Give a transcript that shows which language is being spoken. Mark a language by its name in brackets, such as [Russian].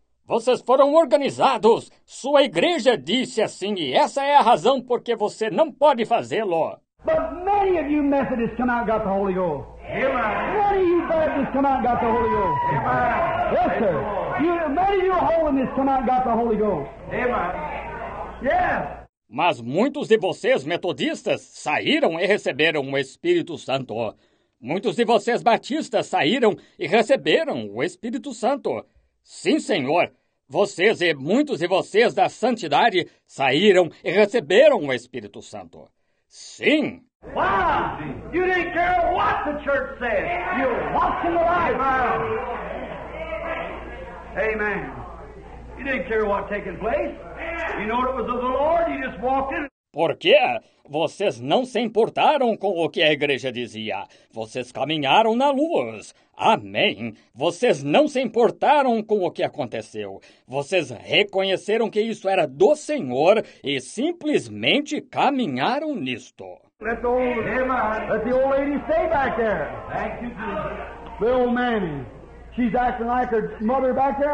[Portuguese] Vocês foram organizados. Sua igreja disse assim, e essa é a razão porque você não pode fazê-lo. [English] But many of you Methodists come out and got the Holy Ghost. Amen. Many of you Baptists come out and got the Holy Ghost. Amen. Yes, sir. Many of you Holiness come out and got the Holy Ghost. Amen. Yes. Yeah. [Portuguese] Mas muitos de vocês, metodistas, saíram e receberam o Espírito Santo. Muitos de vocês, batistas, saíram e receberam o Espírito Santo. Sim, senhor. Vocês e muitos de vocês da santidade saíram e receberam o Espírito Santo. Sim. [English] Why? You didn't care what the church said. You walked in the light. Amen. You didn't care what taking place. You know it was of the Lord. You just walked in. [Portuguese] Por quê? Vocês não se importaram com o que a igreja dizia. Vocês caminharam na luz. Amém. Vocês não se importaram com o que aconteceu. Vocês reconheceram que isso era do Senhor e simplesmente caminharam nisto. [English] Let the old lady stay back there. Thank you, Jesus. The old man, she's acting like her mother back there.